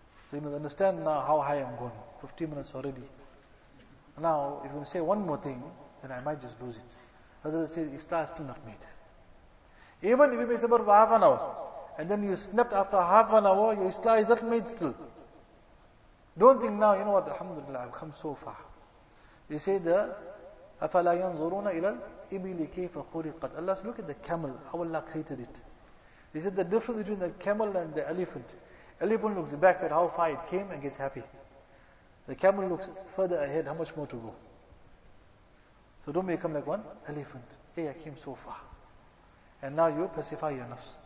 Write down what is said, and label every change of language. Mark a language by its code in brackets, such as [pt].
[en] So you must understand now how high I'm going. 15 minutes already. Now, if you say one more thing, then I might just lose it. Hazrat says, Istar is still not made. Even if you make sabr for half an hour, and then you snapped after half an hour, your Istar is not made still. Don't think now, you know what, alhamdulillah, I've come so far. They say the [ar] أَفَلَا يَنْظُرُونَ إِلَى الْإِبِلِ كَيْفَ خُلِقَتْ. [en] Allah says, look at the camel, how Allah created it. He said, the difference between the camel and the elephant. Elephant looks back at how far it came and gets happy. The camel looks further ahead, how much more to go. So don't become like one elephant. Hey, I came so far. And now you pacify your nafs.